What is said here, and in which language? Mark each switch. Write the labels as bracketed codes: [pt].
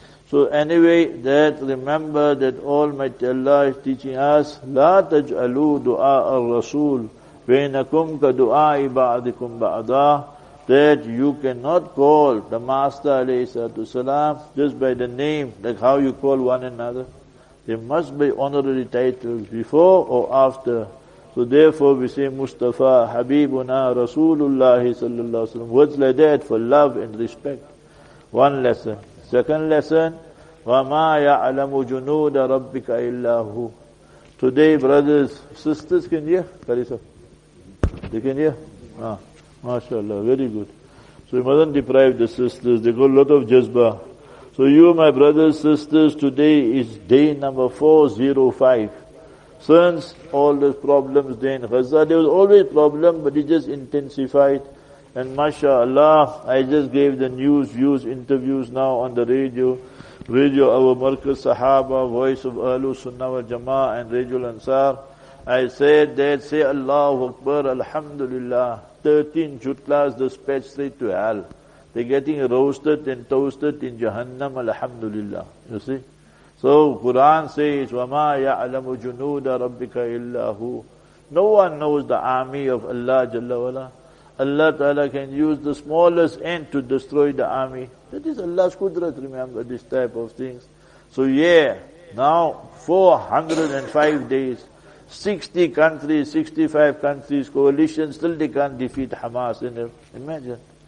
[en] So anyway, that remember that Almighty Allah is teaching us, [ar] لَا تَجْعَلُوا دُعَاءَ الرَّسُولِ بَيْنَكُمْ كَدُعَاءِ بَعْدِكُمْ بَعْدًا, [en] that you cannot call the Master alayhi salatu salam just by the name, like how you call one another. There must be honorary titles before or after. So therefore we say Mustafa, Habibuna, Rasulullah sallallahu alaihi wasallam. Words like that for love and respect. One lesson. Second lesson, [ar] وَمَا يَعْلَمُ جُنُودَ رَبِّكَ إِلَّا هُ. [en] Today, brothers, sisters, can you hear? Karisa, they can hear? Ah, mashallah, very good. So we mustn't deprive the sisters. They got a lot of jazba. So you, my brothers, sisters, today is day number 405. Since all the problems there in Gaza, there was always problem, but it just intensified. And mashallah, I just gave the news, views, interviews now on the radio. Radio our Markaz Sahaba, Voice of Ahlul Sunnah wal Jama'ah, and Radio Ansar. I said that, say Allahu Akbar, Alhamdulillah, 13 jutlas dispatched straight to hell. They're getting roasted and toasted in Jahannam, Alhamdulillah. You see? So Quran says, [ar] وَمَا يَعْلَمُ جُنُودَ رَبِّكَ إِلَّا هُ. [en] No one knows the army of Allah Jalla Wala. Allah Ta'ala can use the smallest ant to destroy the army. That is Allah's Qudrat, remember this type of things. So yeah, now 405 days, 60 countries, 65 countries, coalition, still they can't defeat Hamas in them. Imagine.